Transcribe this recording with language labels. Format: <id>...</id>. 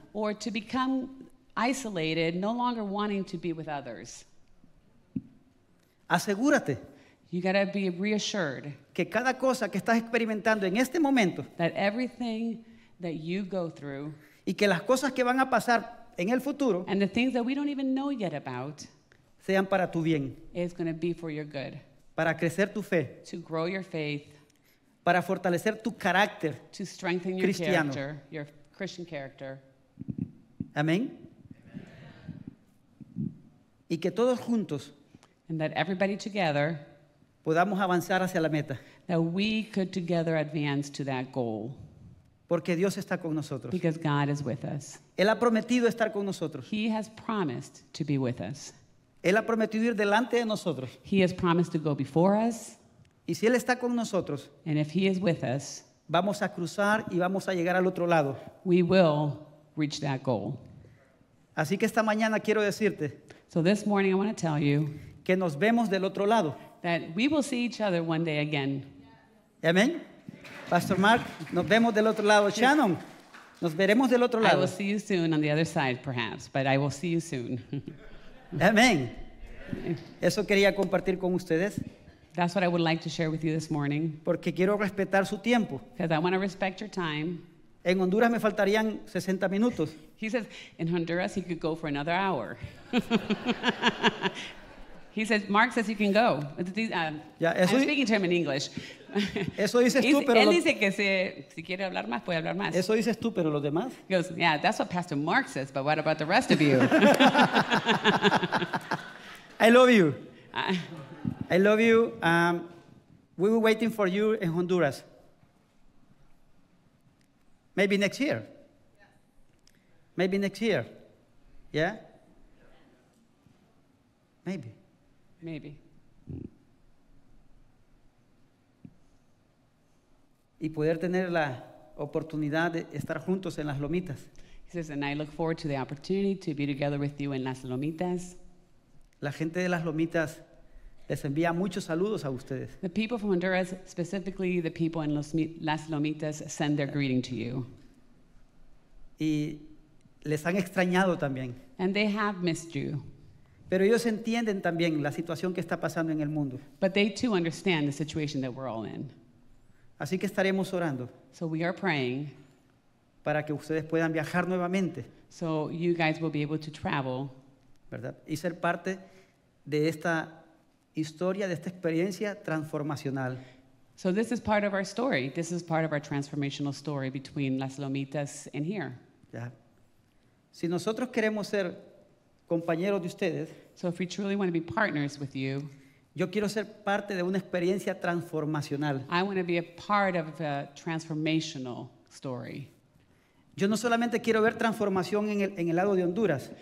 <en>or to become isolated, no longer wanting to be with others.</en> <es>Asegúrate.</es> <en>You gotta be reassured.</en> <es>Que cada cosa que estás experimentando en este momento.</es> <en>That everything that you go through.</en> <es>Y que las cosas que van a pasar en el futuro.</es> <en>And the things that we don't even know yet about.</en> <es>Sean para tu bien.</es> <en>Is gonna be for your good.</en> <es>Para crecer tu fe.</es> <en>To grow your faith.</en> <es>Para fortalecer tu carácter.</es> <en>To strengthen your character. Your Christian character.</en> <es>Amén. Y que todos juntos.</es> <en>And that everybody together,</en> <es>podamos avanzar hacia la meta.</es> <en>That we could together advance to that goal.</en> <es>Porque Dios está con nosotros.</es> <en>Because God is with us.</en> <es>Él ha prometido estar con nosotros.</es> <en>He has promised to be with us.</en> <es>Él ha prometido ir delante de nosotros.</es> <en>He has promised to go before us.</en> <es>Y si Él está con nosotros,</es> <en>and if He is with us,</en> <es>vamos a cruzar y vamos a llegar al otro lado.</es> <en>We will reach that goal.</en> <es>Así que esta mañana quiero decirte.</es> <en>So this morning I want to tell you.</en> <es>Que nos vemos del otro lado.</es> <en>That we will see each other one day again.</en> <es>Amen. Pastor Mark, nos vemos del otro lado. Shannon, nos veremos del otro lado.</es> <en>I will see you soon on the other side, perhaps, but I will see you soon.</en> <es>Amen. Eso quería compartir con ustedes.</es> <en>That's what I would like to share with you this morning.</en> <es>Porque quiero respetar su tiempo.</es> <en>Because I want to respect your time.</en> <es>En Honduras me faltarían 60 minutos.</es> <en>He says, in Honduras, he could go for another hour. He says, Mark says you can go. I'm speaking to him in English.</en> <es>Eso dices tú, pero él dice que si quiere hablar más, puede hablar más. Eso dices tú, pero los demás.</es> <en>He goes, yeah, that's what Pastor Mark says, but what about the rest of you? I love you. I love you. We were waiting for you in Honduras. Maybe next year. Maybe next year. Yeah? Maybe. Maybe.</en> <es>Y poder tener la oportunidad de estar juntos en Las Lomitas.</es> <en>He says, and I look forward to the opportunity to be together with you in Las Lomitas.</en> <es>La gente de Las Lomitas les envía muchos saludos a ustedes.</es> <en>The people from Honduras, specifically the people in Las Lomitas, send their greeting to you.</en> <es>Y les han extrañado también.</es> <en>And they have missed you.</en> <es>Pero ellos entienden también la situación que está pasando en el mundo.</es> <en>But they too understand the situation that we're all in.</en> <es>Así que estaremos orando.</es> <en>So we are praying.</en> <es>Para que ustedes puedan viajar nuevamente.</es> <en>So you guys will be able to travel.</en> <es>¿Verdad? Y ser parte de esta historia, de esta experiencia transformacional.</es> <en>So this is part of our story. This is part of our transformational story between Las Lomitas and here.</en> <es>Ya. Si nosotros queremos ser compañeros de ustedes,</es> <en>so if we truly want to be partners with you,</en> <es>yo quiero ser parte de una experiencia transformacional.</es> <en>I want to be a part of a transformational story.</en> <es>Yo no solamente quiero ver transformación en el lado de Honduras.</es>